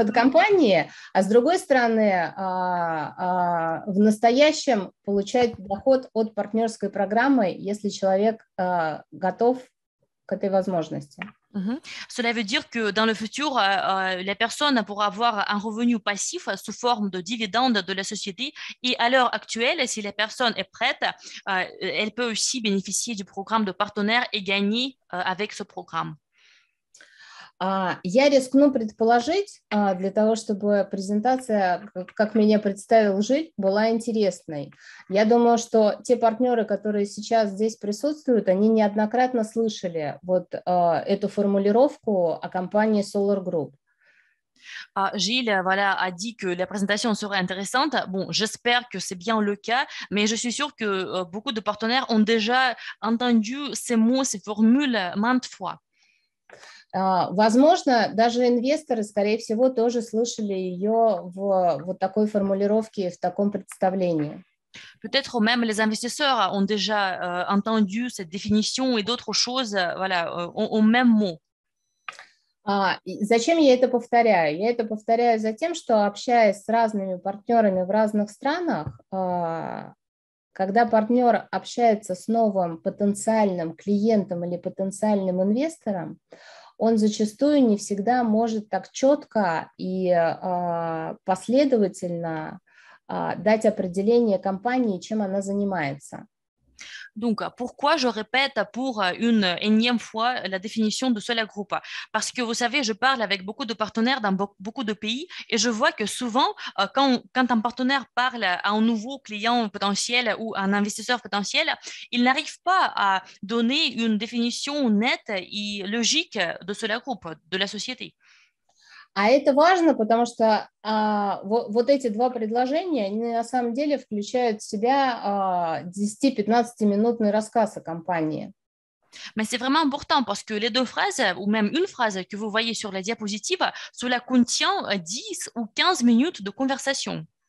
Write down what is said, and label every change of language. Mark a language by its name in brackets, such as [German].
[Russian] от компании, а с другой стороны, в настоящем получать доход от партнерской программы, если человек готов к этой возможности. [French] Cela veut dire que dans le futur, la personne pourra avoir un revenu passif sous forme de dividendes de la société. Et à l'heure actuelle, si la personne est prête, elle peut aussi bénéficier du programme de partenaire et gagner avec ce programme. [Russian] Я рискну предположить, для того, чтобы презентация, как меня представил Жить, была интересной. Я думаю, что те партнеры, которые сейчас здесь присутствуют, они неоднократно слышали вот эту формулировку о компании Solar Group. [French] Жиль, voilà, a dit que la présentation serait intéressante. Bon, j'espère que c'est bien le cas, mais je suis sûre que beaucoup de partenaires ont déjà entendu ces mots, ces formules maintes fois. [Russian] Возможно, даже инвесторы, скорее всего, тоже слышали ее в вот такой формулировке, в таком представлении. [French] Peut-être même les investisseurs ont déjà entendu cette définition et d'autres choses, voilà, au même mot. [Russian] Зачем я это повторяю? Я это повторяю за тем, что общаясь с разными партнерами в разных странах, когда партнер общается с новым потенциальным клиентом или потенциальным инвестором, он зачастую не всегда может так четко и последовательно дать определение компании, чем она занимается. [French] Donc, pourquoi je répète pour une énième fois la définition de Solar Group? Parce que, vous savez, je parle avec beaucoup de partenaires dans beaucoup de pays et je vois que souvent, quand un partenaire parle à un nouveau client potentiel ou à un investisseur potentiel, il n'arrive pas à donner une définition nette et logique de Solar Group, de la société. [Russian] А это важно, потому что вот эти два предложения, они на самом деле включают в себя 10-15-минутный рассказ о компании. [French] Mais c'est vraiment important, parce que les deux phrases, ou même une phrase que vous voyez sur la diapositive, cela contient 10 ou 15 minutes de conversation.